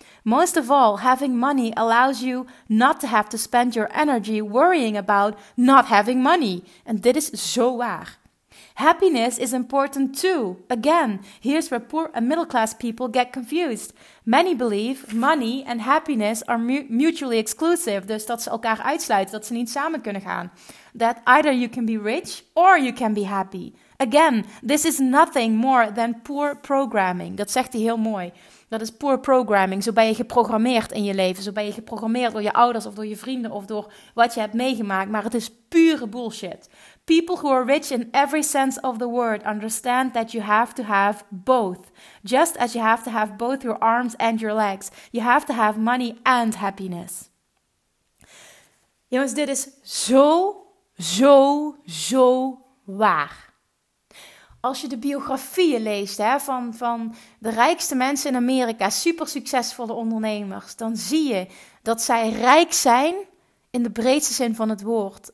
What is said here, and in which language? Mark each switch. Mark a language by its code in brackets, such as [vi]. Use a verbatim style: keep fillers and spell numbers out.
[en] Most of all, having money allows you not te have to spend your energy worrying about not having money. [nl] En dit is zo waar. [en] Happiness is important too. Again, here's where poor and middle class people get confused. Many believe money and happiness are mu- mutually exclusive. [nl] Dus dat ze elkaar uitsluiten, dat ze niet samen kunnen gaan. [en] That either you can be rich or you can be happy. Again, this is nothing more than poor programming. [nl] Dat zegt hij heel mooi. Dat is [en] poor programming. [nl] Zo ben je geprogrammeerd in je leven. Zo ben je geprogrammeerd door je ouders of door je vrienden of door wat je hebt meegemaakt. Maar het is pure bullshit. [en] People who are rich in every sense of the word understand that you have to have both. Just as you have to have both your arms and your legs. You have to have money and happiness. [nl] Jongens, dit is zo, zo, zo waar. Als je de biografieën leest hè, van, van de rijkste mensen in Amerika, super succesvolle ondernemers, dan zie je dat zij rijk zijn in de breedste zin van het woord.